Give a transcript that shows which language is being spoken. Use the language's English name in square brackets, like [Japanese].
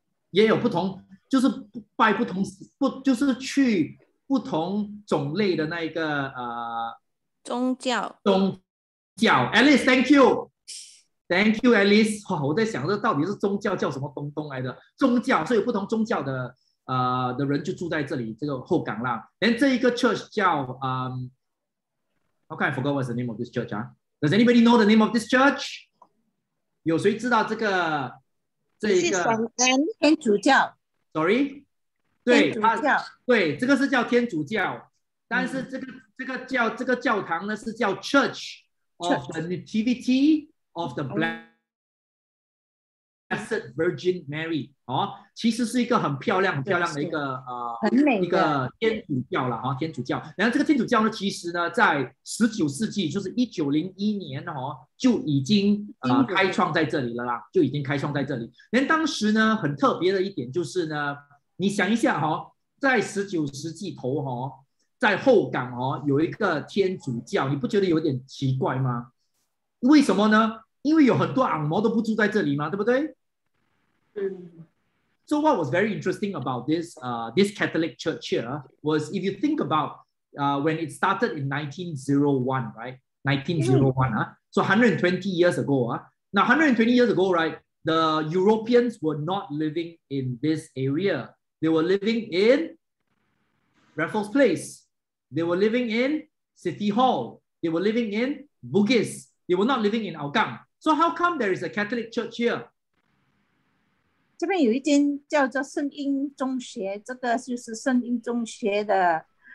[Chinese] 也有不同，就是拜不同，不就是去不同种类的那一个宗教。 [English] Alice，thank you，thank you，Alice。 [Chinese] 哇，我在想这到底是宗教叫什么东东来的？宗教，所以有不同宗教的人就住在这里这个后港啦。连这一个 [English] church [Chinese] 叫 [English] I forgot what's the name of this church 啊。 Does anybody know the name of this church？ [Chinese] 有谁知道这个？这个天主教， [English] sorry， [Chinese] 对，对，这个是叫天主教，但是这个教堂呢是叫 Church of the Nativity of the Blessed Virgin Mary，哦，其实是一个很漂亮、很漂亮的一个很美的一个天主教了，哦，天主教。然后这个天主教呢，其实呢，在19世纪，就是1901年，哦，就已经开创在这里了啦，就已经开创在这里。连当时呢，很特别的一点就是呢，你想一下，哦，在19世纪头，哦，在后港，哦，有一个天主教，你不觉得有点奇怪吗？为什么呢？因为有很多昂摩都不住在这里嘛，对不对？ [English] So what was very interesting about this Catholic church here was if you think about when it started in 1901, right? 1901, so 120 years ago. Now 120 years ago, right? The Europeans were not living in this area. They were living in Raffles Place. They were living in City Hall. They were living in Bugis. They were not living in Hougang. So how come there is a Catholic church here? [Chinese] 这边有一间叫做圣婴中学，这个就是圣婴中学的